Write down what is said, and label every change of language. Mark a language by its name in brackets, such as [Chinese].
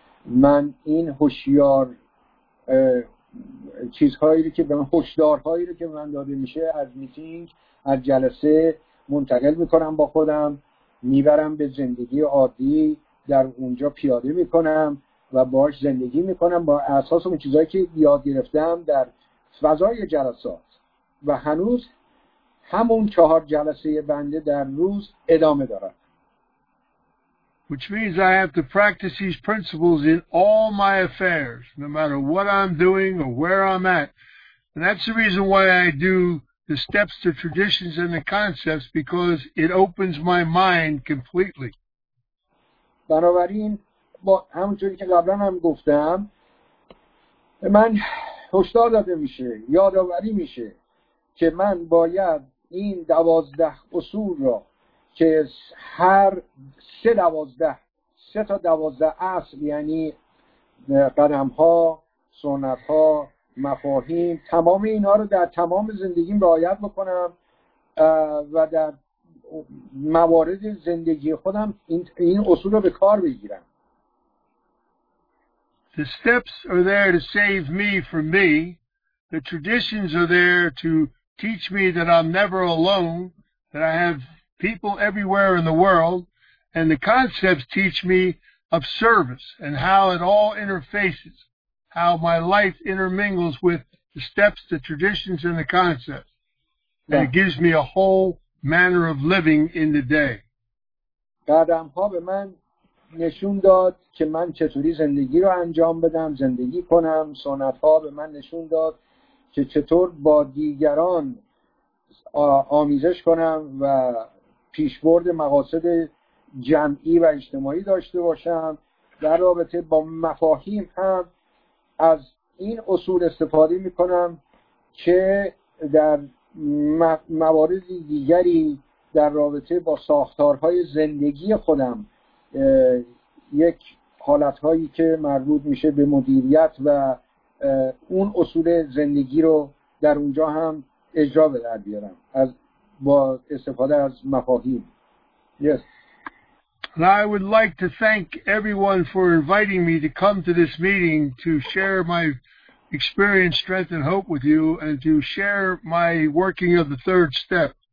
[Persian] من این هوشیار چیزهایی رو که به من، هوشدارهایی رو که به من داده میشه، از میتینگ، از جلسه منتقل میکنم با خودم، میبرم به زندگی عادی، در اونجا پیاده میکنم و باش زندگی میکنم با اساس اون چیزهایی که یاد گرفتم در فضای جلسات. و هنوز همون 4 جلسه بنده در روز ادامه دارد. [English] Which means I have to practice these principles in all my affairs, no matter what I'm doing or where I'm at. And that's the reason why I do the steps, the traditions, and the concepts, because it opens my mind completely. [Persian] بنابراین با همونجوری که قبلا هم گفتم، من هشدار داده میشه، یادآوری میشه که من باید این 12 اصول را که هر 3 تا 12 اصل، یعنی قدم ها، سنت ها مفاهیم تمام اینها رو در تمام زندگیم رعایت بکنم و در موارد زندگی خودم این اصول رو به کار بگیرم. [English] The steps are there to save me from me. The traditions are there to teach me that I'm never alone, that I have people everywhere in the world, and the concepts teach me of service and how it all interfaces, how my life intermingles with the steps, the traditions, and the concepts. And yeah. It gives me a whole manner of living in the day. [Persian] قدم ها به من نشون داد که من چطوری زندگی رو انجام بدم، زندگی کنم. سنت ها به من نشون داد که چطور با دیگران آمیزش کنم و پیشبرد مقاصد جمعی و اجتماعی داشته باشم. در رابطه با مفاهیم هم از این اصول استفاده می کنم که در موارد دیگری در رابطه با ساختارهای زندگی خودم یک حالتهایی که مربوط میشه به مدیریت و اون اصول زندگی رو در اونجا هم اجرا به در بیارم از با استفاده از مفاهیم. [English] Yes. And I would like to thank everyone for inviting me to come to this meeting to share my experience, strength, and hope with you, and to share my working of the third step.